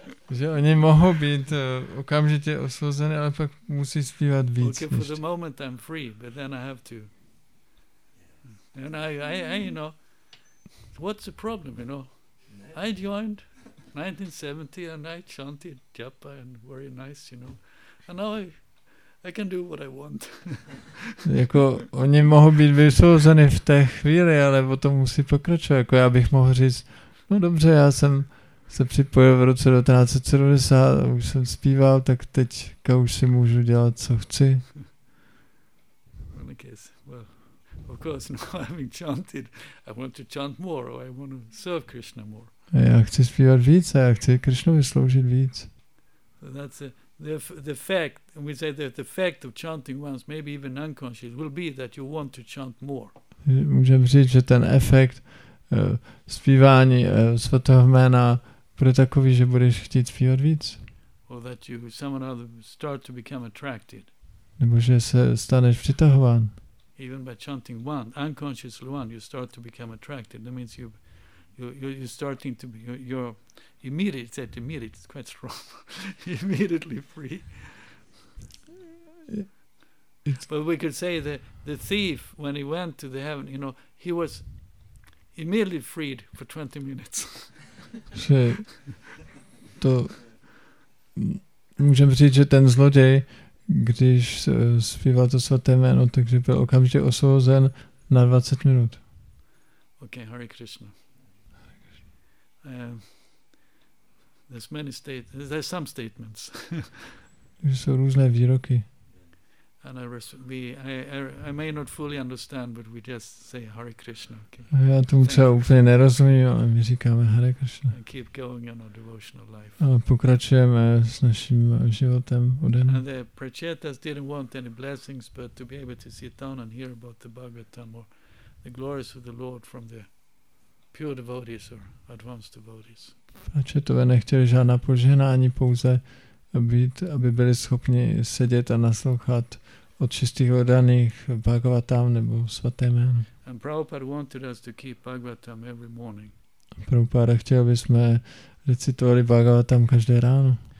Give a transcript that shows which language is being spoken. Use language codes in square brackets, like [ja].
[cs] Že oni mohou být okamžitě osvobozeni, ale pak musí zpívat víc. [en] Okay, for the moment I'm free, but then I have to. And I you know, what's the problem, you know? I joined 1970 and I chanted japa and very nice, you know. And now I can do what I want. [cs] Jako oni mohou být vysvobozeni v té chvíli, ale o tom musí pokračovat. Jako já bych mohl říct, no dobře, já jsem se připojil v roce 1970 a už jsem zpíval, tak teďka už si můžu dělat, co chci. [en] In case, well, of course, now having chanted, I want to chant more, or I want to serve Krishna more. [cs] A já chci zpívat víc a já chci Krishnovi sloužit víc. [en] So that's the fact, we say that the fact of chanting once, maybe even unconscious, will be that you want to chant more. [cs] Můžeme říct, že ten efekt zpívání svatého jména bude takový, že budeš chtít zpívat víc. [en] Or that you somehow start to become attracted. [cs] Nebo že se staneš přitahován. [en] even by chanting one, unconsciously one, you start to become attracted. That means you're starting to be, you're immediately, it's quite strong, immediately free. But we could say that the thief, when he went to the heaven, you know, he was immediately freed for 20 minutes. [cs] Že to můžeme říct, že ten zloděj, když zpíval to svaté jméno, takže byl okamžitě osvobozen na 20 minut. [en] Okay, Hare Krishna. There's many statements. There's some statements. [cs] Jsou různé výroky. [en] And I may not fully understand, but we just say Hare Krishna. Okay. [cs] Já tomu třeba úplně nerozumím, ale my říkáme Hare Krishna. [en] And keep going on our devotional life. [cs] A pokračujeme s naším životem o den. [en] And the Prachetas didn't want any blessings, but to be able to sit down and hear about the Bhagavatam or the glories of the Lord from the pure devotees or advanced devotees. [cs] Prachetové nechtěli žádná požehnání, pouze aby byli schopni sedět a naslouchat od čistých oddaných Bhagavatam nebo svaté jméno. [en] And Prabhupada wanted us to keep Bhagavatam every morning. [cs] Prabhupada chtěl, aby jsme recitovali Bhagavatam každé ráno.